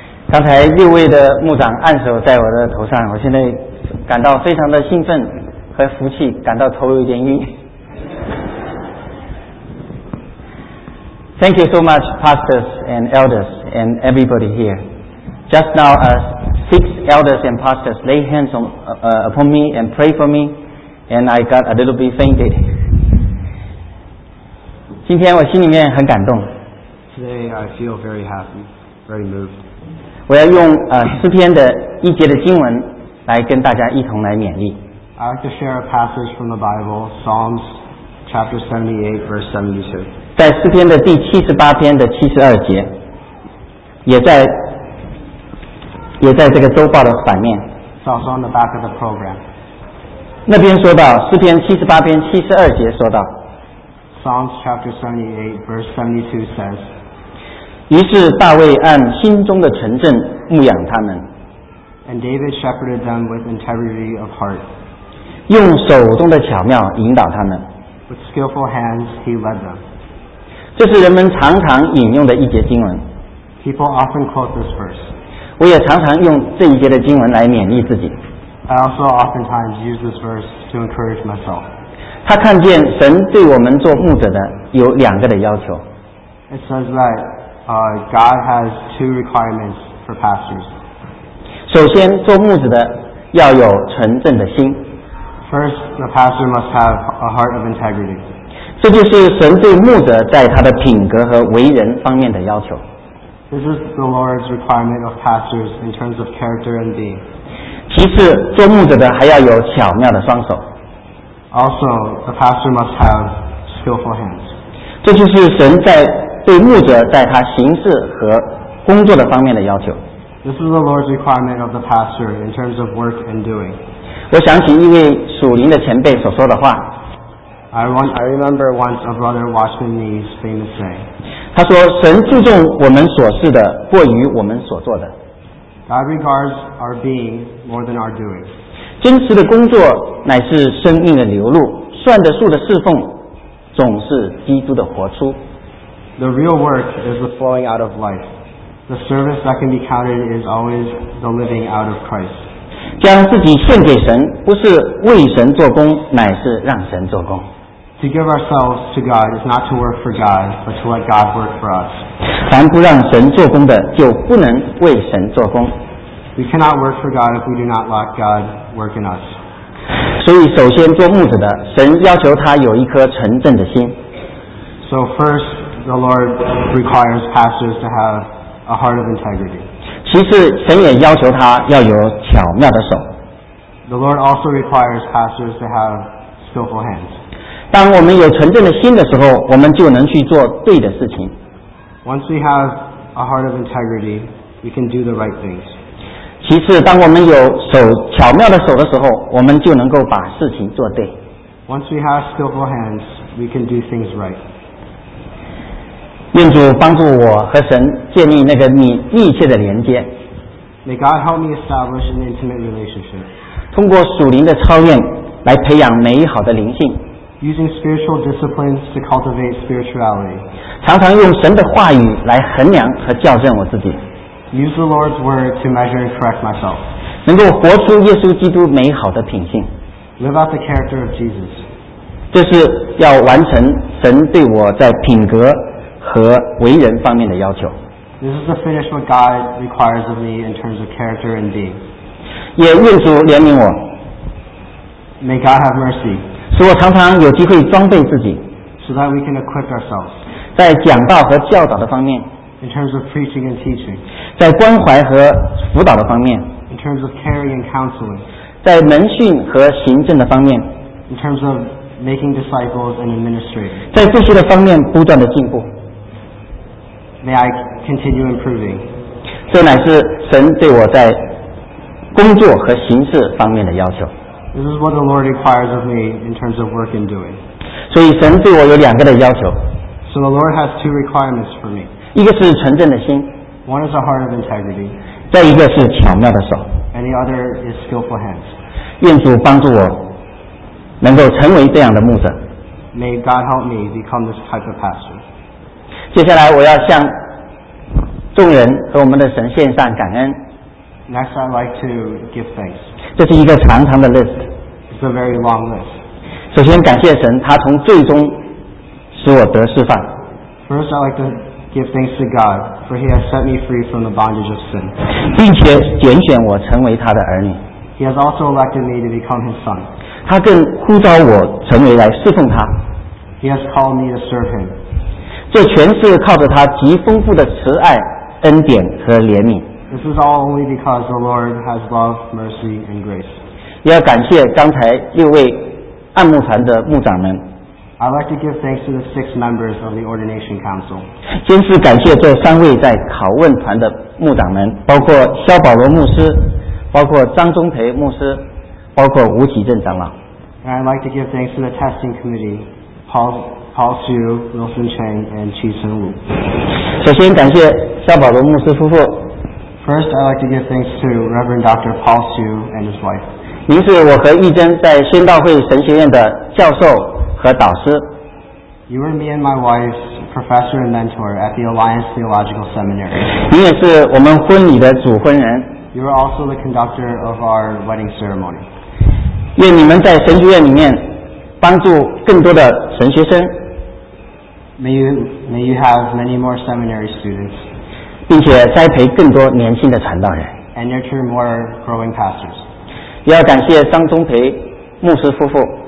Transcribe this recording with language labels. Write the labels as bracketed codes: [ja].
[zh] 刚才六位的牧长按手在我的头上，我现在感到非常的兴奋和福气，感到头有点晕。 [en] Thank you so much, pastors and elders and everybody here. Just now, six elders and pastors lay hands on, upon me and pray for me, and I got a little bit fainted. [zh] 今天我心里面很感动。 [en] Today I feel very happy, very moved. [zh] 我要用诗篇的一节的经文来跟大家一同来勉励。 [en] I like to share a passage from the Bible, Psalms chapter 78, verse 72. [zh] 在诗篇的第七十八篇的七十二节，也在这个周报的反面。 [en] It's also on the back of the program. [zh] 那边说到诗篇七十八篇七十二节说到。 [en] Psalms chapter 78, verse 72 says. [zh] 于是大卫按心中的纯正牧养他们 [en] and David shepherded them with integrity of heart. [zh] 用手中的巧妙引导他们 [en] with skillful hands he led them. [zh] 这是人们常常引用的一节经文 [en] People often quote this verse. [zh] 我也常常用这一节的经文来勉励自己 [en] I also oftentimes use this verse to encourage myself. [zh] 他看见神对我们做牧者的有两个的要求 [en] It says that. God has two requirements for pastors. [zh] 首先，做牧者的要有纯正的心。 [en] First, the pastor must have a heart of integrity. [zh] 这就是神对牧者在他的品格和为人方面的要求。 [en] This is the Lord's requirement of pastors in terms of character and being. [zh] 其次，做牧者的还要有巧妙的双手。 [en] Also, the pastor must have skillful hands. [zh] 这就是神在对牧者在他行事和工作的方面的要求。 [en] This is the Lord's requirement of the pastor in terms of work and doing. [zh] 我想起一位属灵的前辈所说的话。 [en] I remember once a brother Watchman Nee's famous saying. [zh] 他说：“神注重我们所事的过于我们所做的。” [en] God regards our being more than our doing. [zh] 真实的工作乃是生命的流露，算得数的侍奉总是基督的活出。 [en] The real work is the flowing out of life. The service that can be counted is always the living out of Christ. [zh] 将自己献给神，不是为神做工，乃是让神做工。 [en] To give ourselves to God is not to work for God, but to let God work for us. [zh] 凡不让神做工的，就不能为神做工。 [en] We cannot work for God if we do not let God work in us. [zh] 所以，首先做牧者的，神要求他有一颗纯正的心。 [en] So first. The Lord requires pastors to have a heart of integrity. [zh] 其次，神也要求他要有巧妙的手。 [en] The Lord also requires pastors to have skillful hands. [zh] 当我们有纯正的心的时候，我们就能去做对的事情。 [en] Once we have a heart of integrity, we can do the right things. [zh] 其次，当我们有手巧妙的手的时候，我们就能够把事情做对。 [en] Once we have skillful hands, we can do things right. [zh] 愿主帮助我和神建立那个密切的连接。 [en] May God help me establish an intimate relationship. [zh] 通过属灵的操练来培养美好的灵性。 [en] Using spiritual disciplines to cultivate spirituality. [zh] 常常用神的话语来衡量和校正我自己。 [en] Use the Lord's word to measure and correct myself. [zh] 能够活出耶稣基督美好的品性。 [en] Live out the character of Jesus. [zh] 这是要完成神对我在品格和为人方面的要求。 [en] This is to finish what God requires of me in terms of character and being. [zh] 也愿主怜悯我。 [en] May God have mercy. [zh] 使我常常有机会装备自己。 [en] So that we can equip ourselves. [zh] 在讲道和教导的方面。 [en] In terms of preaching and teaching. [zh] 在关怀和辅导的方面。 [en] In terms of caring and counseling. [zh] 在门训和行政的方面。 [en] In terms of making disciples and administrating. [zh] 在这些的方面不断的进步。 [en] May I continue improving. [zh] 这乃是神对我在工作和行事方面的要求。 [en] This is what the Lord requires of me in terms of work and doing. [zh] 所以神对我有两个的要求。 [en] So the Lord has two requirements for me. [zh] 一个是纯正的心。 [en] One is a heart of integrity. [zh] 再一个是巧妙的手。 [en] And the other is skillful hands. [zh] 愿主帮助我能够成为这样的牧者。 [en] May God help me become this type of pastor. [zh] 接下来我要向众人和我们的神献上感恩。 [en] Next, I'd like to give thanks. [zh] 这是一个长长的 list. [en] It's a very long list. [zh] 首先感谢神，他从最终使我得释放。 [en] First, I'd like to give thanks to God, for He has set me free from the bondage of sin. [zh] 并且拣选我成为他的儿女。 [en] He has also elected me to become His son. [zh] 他更呼召我成为来侍奉他。 [en] He has called me to serve Him. [zh] 这全是靠着他极丰富的慈爱、恩典和怜悯。 [en] This is all only because the Lord has love, mercy, and grace. [zh] 也要感谢刚才六位按牧团的牧长们。 [en] I'd like to give thanks to the six members of the ordination council. [zh] 先是感谢这三位在拷问团的牧长们，包括萧保罗牧师，包括张中培牧师，包括吴启正长老。 [en] And I'd like to give thanks to the testing committee, Paul Su, Wilson Chang, and Chi Sun Wu. [zh] 首先感谢萧保罗牧师夫妇。 [en] First, I'd like to give thanks to Reverend Dr. Paul Su and his wife. [zh] 您是我和义珍在宣道会神学院的教授和导师。 [en] You are me and my wife's professor and mentor at the Alliance Theological Seminary. [zh] 您也是我们婚礼的主婚人。 [en] You are also the conductor of our wedding ceremony. [zh] 愿你们在神学院里面帮助更多的神学生。 [en] May you have many more seminary students. [zh] 并且栽培更多年轻的传道人。 [en] And nurture more growing pastors. [zh] 也要感谢张中培牧师夫妇。